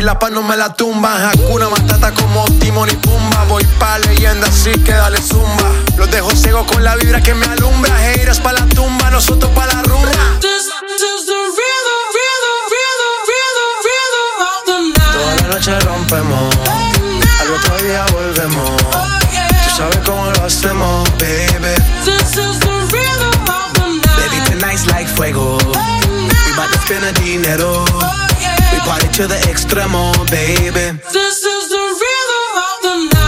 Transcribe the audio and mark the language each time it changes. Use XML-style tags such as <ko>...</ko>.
<es>No me la tumba, Hakuna Matata como Timón y Pumba. Voy pa' leyenda, así que dale zumba. Los dejo ciego con la vibra que me alumbra. Heiras pa' la tumba, nosotros pa' la rumba.</es> <en>This the rhythm of the night.</en> <es>Toda la noche rompemos,</es> <en>night.</en> <es>Al otro día volvemos,</es> <en>oh, yeah.</en> <es>Tú sabes cómo lo hacemos, baby.</es> <en>This is the rhythm of the night. Baby, tonight's like fuego, night. We about to spend the dinero, oh, yeah. Party to the extremo, baby. This is the rhythm of the night.</en>